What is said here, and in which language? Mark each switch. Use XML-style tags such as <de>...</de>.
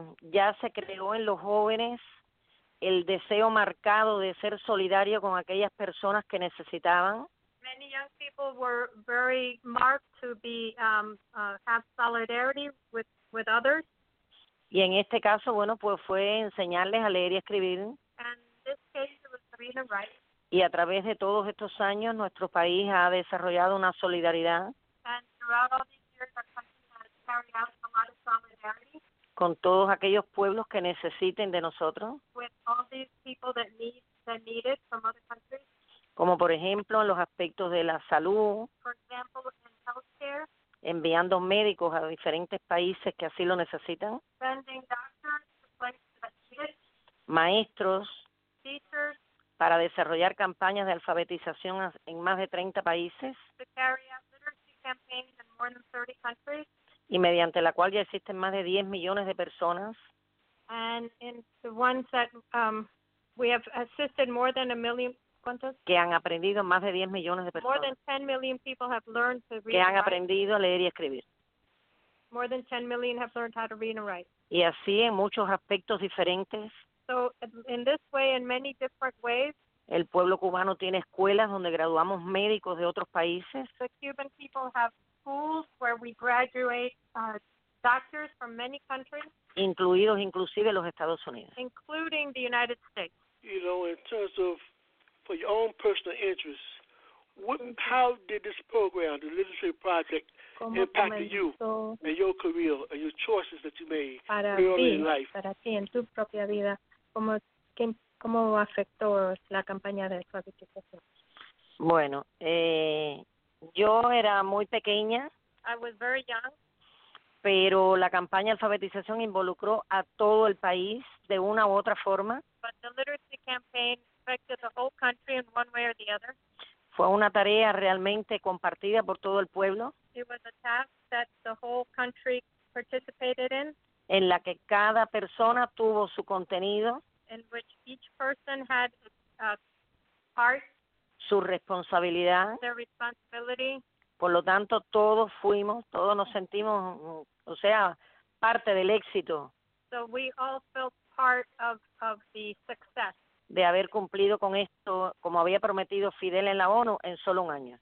<es>ya se creó en los jóvenes el deseo marcado de ser solidario con aquellas personas que necesitaban.</es> <en>Many young people were very marked to be have solidarity with others.</en> <es>Y en este caso, bueno, pues fue enseñarles a leer y escribir.</es> <en>And this case it was reading and writing.</en> <es>Y a través de todos estos años nuestro país ha desarrollado una solidaridad.</es> <en>And throughout all these years our country has carried out a lot of solidarity.</en> <es>Con todos aquellos pueblos que necesiten de nosotros.</es> <en>With all these people that need it from other countries.</en> <es>Como por ejemplo en los aspectos de la salud.</es> <en>For example, in healthcare.</en> <es>Enviando médicos a diferentes países que así lo necesitan.</es> <en>Sending doctors to places that need it.</en> <es>Maestros.</es> <en>Teachers.</en> <es>Para desarrollar campañas de alfabetización en más de 30 países.</es> <en>To carry out literacy campaigns in more than 30 countries.</en> <es>Y mediante la cual ya existen más de 10 millones de personas.</es> <en>And in the ones that we have assisted more than a million,</en> <es>¿cuántos? Que han aprendido más de 10 millones de personas.</es> <en>More than 10 million people have learned to read and write.</en> <es>Que han aprendido a leer y escribir.</es> <en>More than 10 million have learned how to read and write.</en> <es>Y así en muchos aspectos diferentes.</es> <en>So in this way, in many different ways.</en> <es>El pueblo cubano tiene escuelas donde graduamos médicos de otros países.</es> <en>The Cuban people have schools where we graduate doctors from many countries,</en> <es>incluidos inclusive los Estados Unidos,</es> <en>including the United States. You know, in terms of for your own personal interests, how did this program, the literacy project, impact you and your career and your choices that you made early in life?</en> <es>Para ti, en tu propia vida, cómo afectó la campaña de suavización? Bueno, yo era muy pequeña.</es> <en>I was very young.</en> <es>Pero la campaña de alfabetización involucró a todo el país de una u otra forma.</es> <en>But the literacy campaign affected the whole country in one way or the other.</en> <es>Fue una tarea realmente compartida por todo el pueblo.</es> <en>It was a task that the whole country participated in.</en> <es>En la que cada persona tuvo su contenido.</es> <en>In which each person had a part.</en> <es>Su responsabilidad.</es> <en>Their responsibility.</en> <es>Por lo tanto, todos fuimos, todos nos sentimos, o sea, parte del éxito.</es> <en>So we all felt part of the success.</en> <es>De haber cumplido con esto, como había prometido Fidel en la ONU, en solo un año.</es>